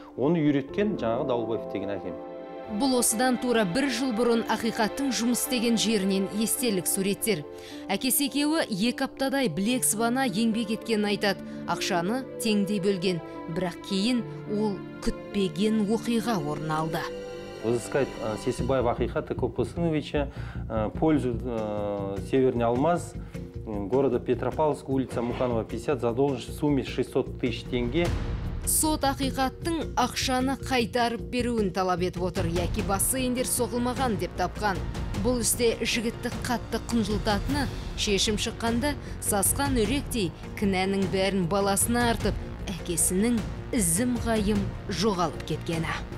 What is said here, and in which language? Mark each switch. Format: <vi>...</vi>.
<kk>Оны үйреткен жаңағы Дауылбаев деген әкем. Бұл осыдан тура бір жыл бұрын Ақиқаттың жұмыс істеген жерінен естелік суреттер. Әкесі екеуі екі аптадай білек сыбана еңбек еткенін айтады. Ақшаны теңдей бөлген, бірақ кейін ол күтпеген оқиға орын алды.</kk> <ru>Вызыскает Сесибаев Ақиқат Копысыновича, пользу Северный Алмаз, города Петропавловск, улица Муханова 50, задолженность в сумме 600 тысяч тенге.</ru> <kk>Сот Ақиқаттың ақшаны қайтарып беруін талап етіп отыр, яки бассейндер соғылмаған деп тапқан. Бұл істе жігітті қатты қынжылтатыны, шешім шыққанда сасқан үректей кінәнің бәрін баласына артып, әкесінің ізім ғайым жоғалып кеткені.</kk>